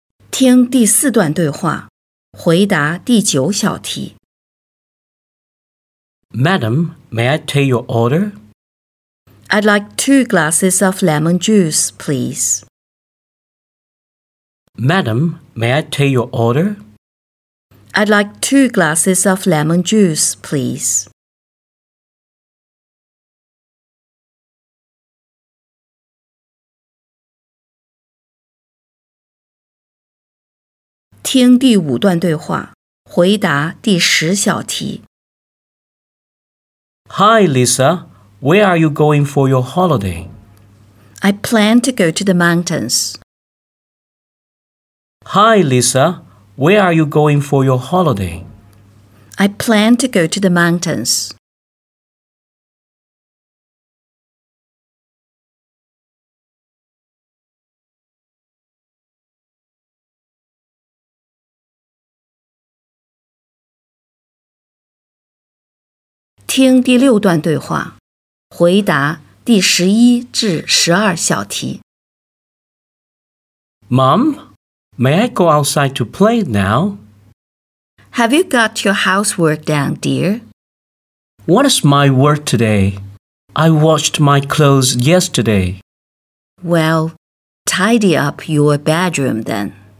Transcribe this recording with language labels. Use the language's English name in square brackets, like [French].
[Chinese] 听第四段对话，回答第九小题。 [English] Madam, may I take your order? I'd like 2 glasses of lemon juice, please. Madam, may I take your order? I'd like 2 glasses of lemon juice, please. [Chinese] 听第五段对话，回答第十小题。 [English] Hi, Lisa. Where are you going for your holiday? I plan to go to the mountains. Hi, Lisa. Where are you going for your holiday? I plan to go to the mountains. [Chinese] 听第六段对话，回答第十一至十二小题。 [English] Mom, may I go outside to play now? Have you got your housework done, dear? What is my work today? I washed my clothes yesterday. Well, tidy up your bedroom then.